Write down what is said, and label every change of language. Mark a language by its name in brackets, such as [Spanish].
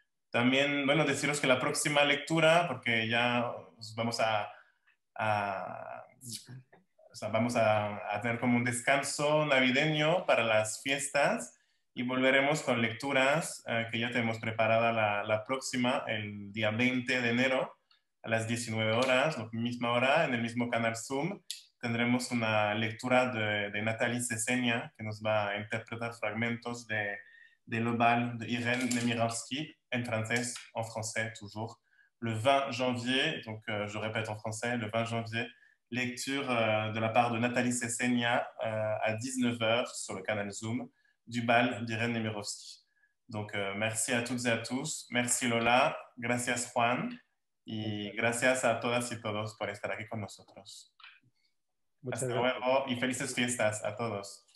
[Spanish] También, bueno, deciros que la próxima lectura, porque ya vamos a tener como un descanso navideño para las fiestas y volveremos con lecturas que ya tenemos preparada la próxima, el día 20 de enero, a las 19 horas, la misma hora, en el mismo canal Zoom. Tendremos una lectura de Nathalie Sesenia, que nos va a interpretar fragmentos de L'Obal de Irène Némirovsky, en francés, [French] en français, toujours, le 20 janvier, donc je répète en français, le 20 janvier, lecture de la part de Nathalie Sesenia à 19h sur le canal Zoom du bal d'Irène Némirovsky. Donc merci à toutes et à tous, merci [Spanish] Lola, gracias Juan, y gracias a todas y todos por estar aquí con nosotros. Muchas Hasta gracias. Luego y felices fiestas a todos.